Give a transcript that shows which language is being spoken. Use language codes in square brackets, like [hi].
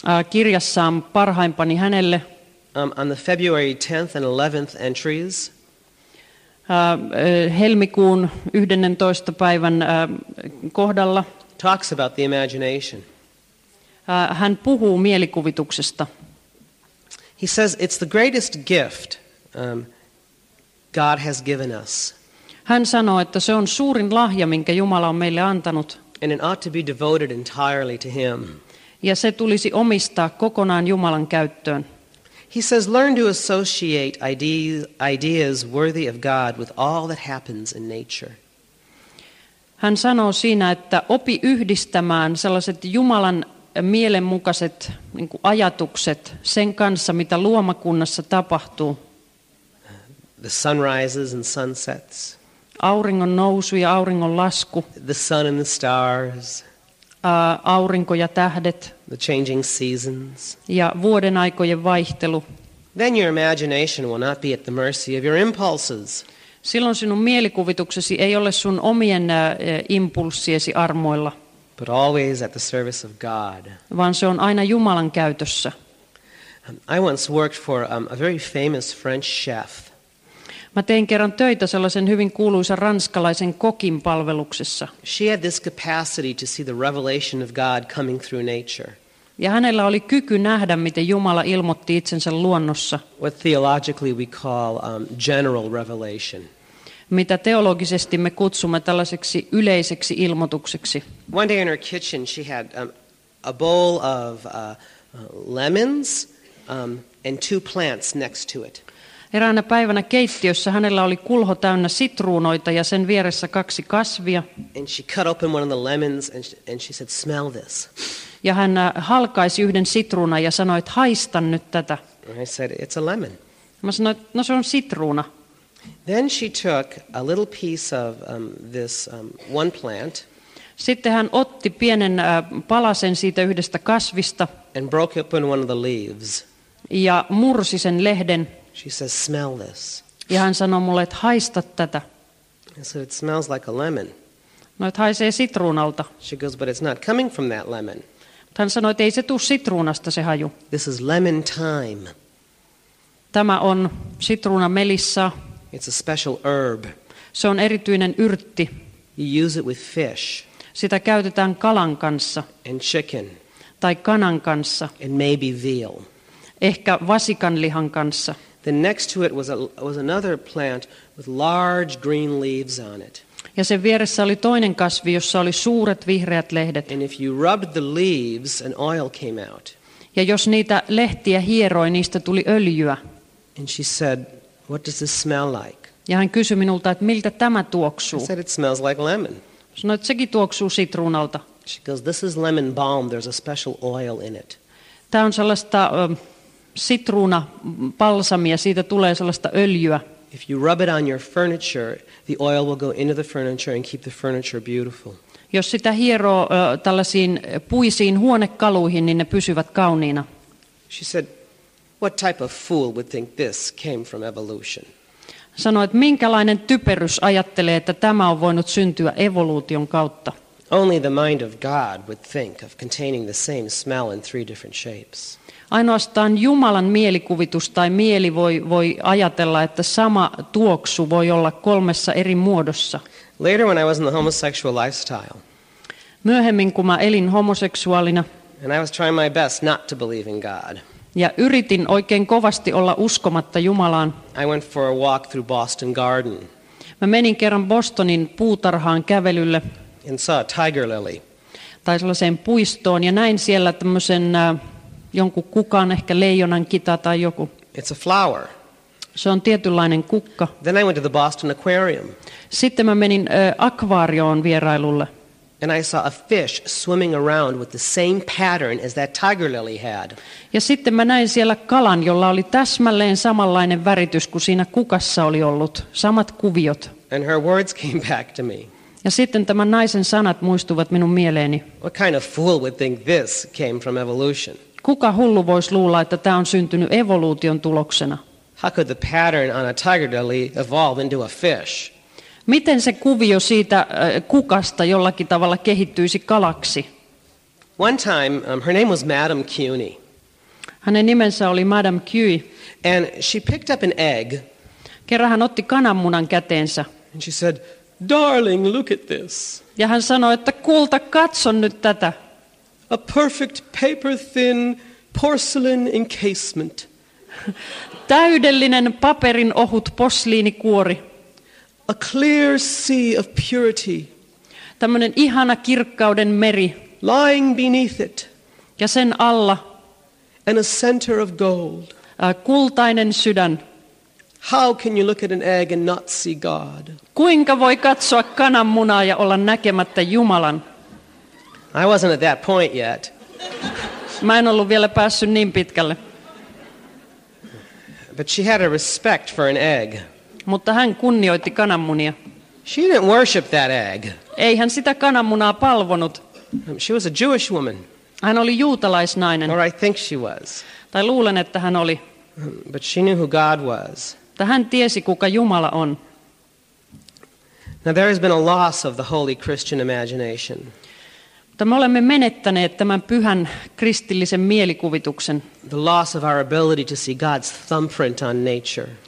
[fi] Kirjassaan parhaimpani hänelle. [en] On the February 10th and 11th entries. [fi] Helmikuun 11. päivän kohdalla. [en] Talks about the imagination. [fi] Hän puhuu mielikuvituksesta. [en] He says it's the greatest gift God has given us. [fi] Hän sanoo, että se on suurin lahja, minkä Jumala on meille antanut. [en] And it ought to be devoted entirely to him. [fi] Ja se tulisi omistaa kokonaan Jumalan käyttöön. [en] He says, learn to associate ideas worthy of God with all that happens in nature. [fi] Hän sanoo siinä, että opi yhdistämään sellaiset Jumalan mielenmukaiset niin kuin ajatukset sen kanssa, mitä luomakunnassa tapahtuu. [en] The sunrises and sunsets. [fi] Auringon nousu ja auringon lasku. [en] The sun and the stars. [fi] Aurinko ja tähdet. [en] The changing seasons. [fi] Ja vuoden aikojen vaihtelu. [en] Then your imagination will not be at the mercy of your impulses. [fi] Silloin sinun mielikuvituksesi ei ole sun omien impulssiesi armoilla. [en] But always at the service of God. [fi] Vaan se on aina Jumalan käytössä. [en] I once worked for a very famous French chef. [fi] Mä tein kerran töitä sellaisen hyvin kuuluisen ranskalaisen kokin palveluksessa. [en] She had this capacity to see the revelation of God coming through nature. [fi] Ja hänellä oli kyky nähdä, miten Jumala ilmoitti itsensä luonnossa. [en] What theologically we call general revelation. [fi] Mitä teologisesti me kutsumme tällaiseksi yleiseksi ilmoitukseksi. [en] One day in her kitchen she had a bowl of lemons and two plants next to it. [fi] Eräänä päivänä keittiössä hänellä oli kulho täynnä sitruunoita ja sen vieressä kaksi kasvia. [en] And she cut open one of the lemons and she said, smell this. [fi] Ja hän halkaisi yhden sitruunan ja sanoi, että haistan nyt tätä. [en] I said, it's a lemon. [fi] Mä sanoin, no se on sitruuna. [en] Then she took a little piece of this one plant. [fi] Sitten hän otti pienen palasen siitä yhdestä kasvista. [en] And broke open one of the leaves. [fi] Ja mursi sen lehden. [en] She says, smell this. [fi] Ja hän sanoi mulle, että haista tätä. [en] I said, it smells like a lemon. [fi] No, että haisee sitruunalta. [en] She goes, but it's not coming from that lemon. [fi] Hän sanoi, että ei se tule sitruunasta se haju. [en] This is lemon thyme. [fi] Tämä on sitruuna melissa. [en] It's a special herb. [fi] Se on erityinen yrtti. [en] You use it with fish. [fi] Sitä käytetään kalan kanssa. [en] And chicken. [fi] Tai kanan kanssa. [en] And maybe veal. [fi] Ehkä vasikanlihan kanssa. [en] Then next to it was another plant with large green leaves on it. [fi] Ja sen vieressä oli toinen kasvi, jossa oli suuret vihreät lehdet. [en] And if you rubbed the leaves, an oil came out. [fi] Ja jos niitä lehtiä hieroi, niistä tuli öljyä. [en] And she said, what does this smell like? [fi] Ja hän kysyi minulta, että miltä tämä tuoksuu. [en] I said, it smells like lemon. [fi] Sanoi, että sekin tuoksuu sitruunalta. [en] She goes, this is lemon balm. There's a special oil in it. [fi] Tämä on sellaista sitruunapalsamia. Siitä tulee sellaista öljyä. [en] If you rub it on your furniture, the oil will go into the furniture and keep the furniture beautiful. [fi] Jos sitä hieroo tällaisiin puisiin huonekaluihin, niin ne pysyvät kauniina. [en] She said, what type of fool would think this came from evolution? [fi] Sanoi, että minkälainen typerys ajattelee, että tämä on voinut syntyä evoluution kautta. [en] Only the mind of God would think of containing the same smell in three different shapes. [fi] Ainoastaan Jumalan mielikuvitus tai mieli voi ajatella, että sama tuoksu voi olla kolmessa eri muodossa. [en] Later when I was in the homosexual lifestyle. [fi] Myöhemmin kun mä elin homoseksuaalina. [en] And I was trying my best not to believe in God. [fi] Ja yritin oikein kovasti olla uskomatta Jumalaan. [en] I went for a walk through Boston Garden. [fi] Mä menin kerran Bostonin puutarhaan kävelylle. [en] And saw a tiger lily. [fi] Tai sellaiseen puistoon ja näin siellä tämmöisen jonkun kukan, ehkä leijonan kita tai joku. [en] It's a flower. [fi] Se on tietynlainen kukka. [en] Then I went to the Boston Aquarium. [fi] Sitten mä menin akvaarioon vierailulle. [en] And I saw a fish swimming around with the same pattern as that tiger lily had. [fi] Ja sitten mä näin siellä kalan, jolla oli täsmälleen samanlainen väritys kuin siinä kukassa oli ollut. Samat kuviot. [en] And her words came back to me. [fi] Ja sitten tämän naisen sanat muistuvat minun mieleeni. [en] What kind of fool would think this came from evolution? [fi] Kuka hullu voisi luulla, että tämä on syntynyt evoluution tuloksena? [en] How could the pattern on a tiger lily evolve into a fish? [fi] Miten se kuvio siitä kukasta jollakin tavalla kehittyisi kalaksi? [en] One time, her name was Madame Cuny. [fi] Hänen nimensä oli Madame Cuny. [en] And she picked up an egg. [fi] Kerran hän otti kananmunan käteensä. [en] And she said, darling, look at this. [fi] Ja hän sanoi, että kulta, katso nyt tätä. [en] A perfect paper thin porcelain encasement. [fi] Täydellinen paperin ohut posliinikuori. [en] A clear sea of purity. [fi] Tämmönen ihana kirkkauden meri. [en] Lying beneath it. [fi] Ja sen alla. [en] And a center of gold. [fi] Kultainen sydän. [en] How can you look at an egg and not see God? [fi] Kuinka voi katsoa kananmunaa ja olla näkemättä Jumalan? [en] I wasn't at that point yet. [fi] Mä en ollut vielä päässyt niin pitkälle. [en] But she had a respect for an egg. [fi] Mutta hän kunnioitti kananmunia. [en] She didn't worship that egg. [fi] Ei hän sitä kananmunaa palvonut. [en] She was a Jewish woman. [fi] Hän oli juutalaisnainen. [en] Or I think she was. [fi] Tai luulen, että hän oli. [en] But she knew who God was. [fi] Mutta hän tiesi, kuka Jumala on. [en] Now there has been a loss of the holy Christian imagination. [fi] Mutta me olemme menettäneet tämän pyhän kristillisen mielikuvituksen. [en] The loss of our ability to see God's thumbprint on nature.